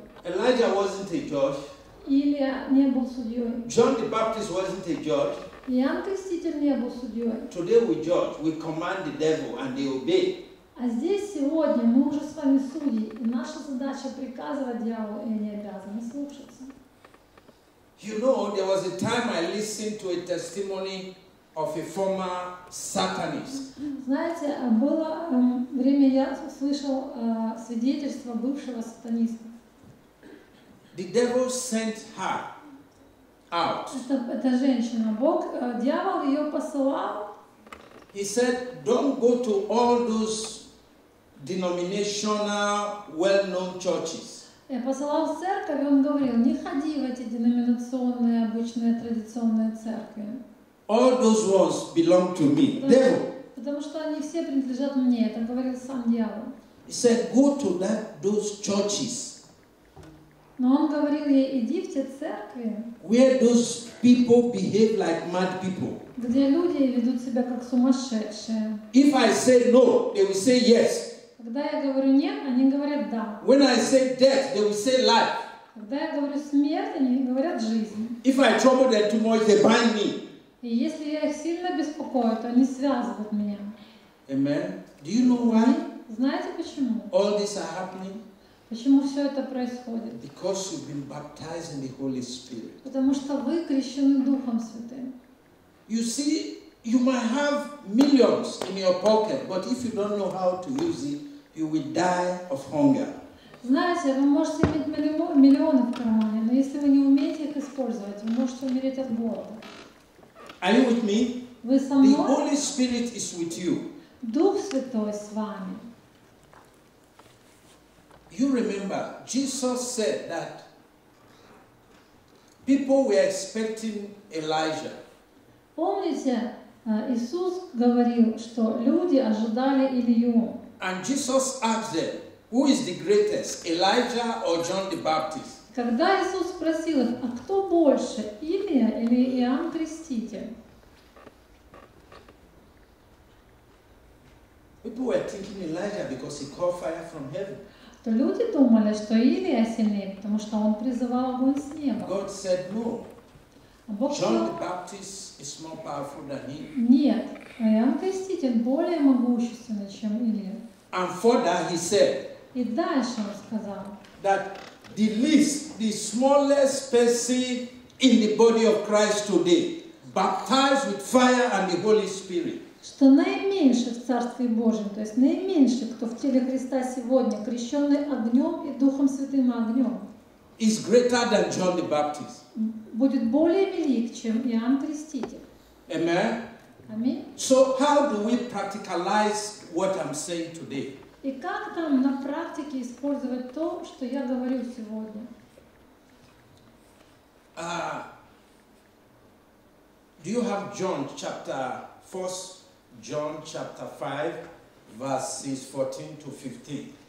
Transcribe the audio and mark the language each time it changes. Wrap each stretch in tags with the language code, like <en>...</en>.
<en>Elijah wasn't a judge.</en> <ru>Илия не был судьей.</ru> <en>John the Baptist wasn't a judge.</en> <ru>Иоанн Креститель не был судьей.</ru> <en>Today we judge, we command the devil and they obey.</en> <ru>А здесь сегодня мы уже с вами судьи, и наша задача приказывать дьяволу, и они обязаны слушаться.</ru> <en>You know, there was a time I listened to a testimony of a former Satanist.</en> <ru>Знаете, было время, я слышал свидетельство бывшего сатаниста.</ru> <en>The devil sent her.</en> <ru>Эта женщина, Бог, дьявол ее посылал.</ru> <en>He said, "Don't go to all those denominational, well-known churches."</en> <ru>посылал в церковь, он говорил, не ходи в эти деноминационные, обычные, традиционные церкви.</ru> <en>All those ones belong to me. Devil.</en> <ru>Потому что они все принадлежат мне, это говорил сам дьявол.</ru> <en>He said, go to that, those churches.</en> <ru>Но он говорил ей, иди в те церкви,</ru> <en>where those people behave like mad people.</en> <ru>Где люди ведут себя как сумасшедшие.</ru> <en>If I say no, they will say yes.</en> <ru>Когда я говорю нет, они говорят да.</ru> <en>When I say death, they will say life.</en> <ru>Когда я говорю смерть, они говорят жизнь.</ru> <en>If I trouble them too much, they bind me.</en> <ru>И если я их сильно беспокою, то они связывают меня.</ru> <en>Amen. Do you know why?</en> <ru>Знаете почему?</ru> <en>All this are happening.</en> <ru>Почему все это происходит?</ru> <en>Because you've been baptized in the Holy Spirit.</en> <ru>Потому что вы крещены Духом Святым.</ru> <en>You see, you might have millions in your pocket, but if you don't know how to use it, you will die of hunger.</en> <ru>Знаете, вы можете иметь миллионы в кармане, но если вы не умеете их использовать, вы можете умереть от голода.</ru> <en>Are you with me?</en> <ru>Вы со мной?</ru> <en>The Holy Spirit is with you.</en> <ru>Дух Святой с вами.</ru> <en>You remember, Jesus said that people were expecting Elijah.</en> <ru>Помните, Иисус говорил, что люди ожидали Илью.</ru> <en>And Jesus asked them, who is the greatest, Elijah or John the Baptist?</en> <ru>Когда Иисус спросил их, а кто больше, Илия или Иоанн Креститель?</ru> <en>People were thinking Elijah because he called fire from heaven.</en> <ru>То люди думали, что Илия сильнее, потому что он призывал огонь с неба.</ru> <en>God said no.</en> <ru>А Бог</ru> <en>John the Baptist is more powerful than him.</en> <ru>Нет, Иоанн Креститель более могущественный, чем Илия.</ru> <en>And further he said.</en> <ru>И дальше он сказал.</ru> <en>That the least, the smallest person in the body of Christ today, baptized with fire and the Holy Spirit.</en> <ru>Что наименьший в Царстве Божьем, то есть наименьший, кто в теле Христа сегодня, крещенный огнем и Духом Святым и огнем,</ru> <en>is greater than John the Baptist.</en> <ru>Будет более велик, чем Иоанн Креститель.</ru> <en>Amen. Amen. So how do we practicalize what I'm saying today?</en> <ru>И как нам на практике использовать то, что я говорю сегодня?</ru> <en>Do you have John chapter 4? John chapter 5, verses 14 to 15.</en>